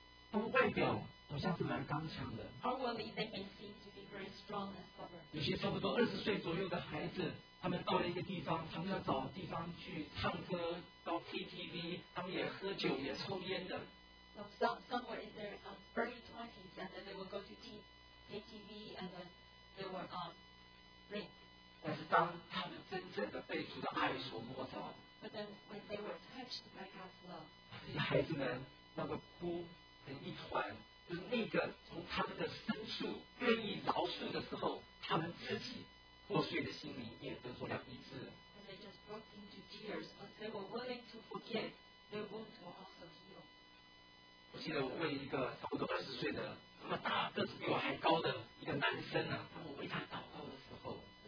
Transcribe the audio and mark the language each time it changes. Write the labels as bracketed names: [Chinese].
[Chinese] 他们外表好像是蛮刚强的。 [English] Outwardly they may seem to be very strong and stubborn. [Chinese] 有些差不多二十岁左右的孩子，他们到了一个地方，他们要找地方去唱歌，到 KTV， 他们也喝酒，也抽烟的。 [English] Somewhere in their early twenties, and then they will go to KTV, and then they will drink. [Chinese] 但是当他们真正的被主的爱所摸着， [English] But then when they were touched by God's love, [Chinese] 孩子们那个哭的一团，就是那个从他们的深处愿意饶恕的时候，他们自己破碎的心灵也得着了医治。 [English] And they just broke into tears, but they were willing to forgive, their wounds were also healed. [Chinese] 我记得我问一个差不多二十岁的，那么大个子比我还高的一个男生啊，当我为他祷告的时候。